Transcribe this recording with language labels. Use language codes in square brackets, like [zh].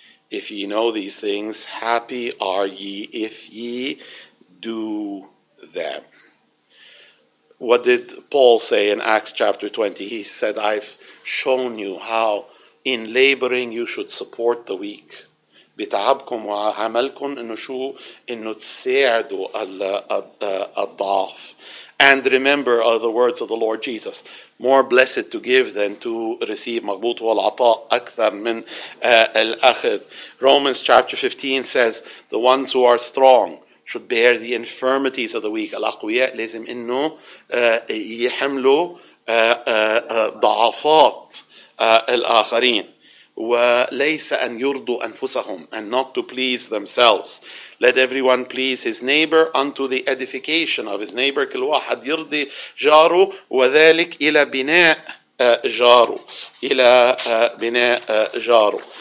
[en] If ye know these things, happy are ye if ye do them. What did Paul say in Acts chapter 20? He said, I've shown you how in laboring you should support the weak. [ar] بتعبكم وعملكم إنه شو إنه تساعدوا الضعف. [en] And remember the words of the Lord Jesus. More blessed to give than to receive. [ar] مغبوط هو العطاء أكثر من الأخذ. [en] Romans chapter 15 says, The ones who are strong should bear the infirmities of the weak. [ar] الأقوياء لازم إنه يحملوا ضعفات الآخرين. وليس أن يرضوا أنفسهم, [en] and not to please themselves. Let everyone please his neighbor unto the edification of his neighbor. [ar] كل واحد يرضي جاره وذلك إلى بناء جاره.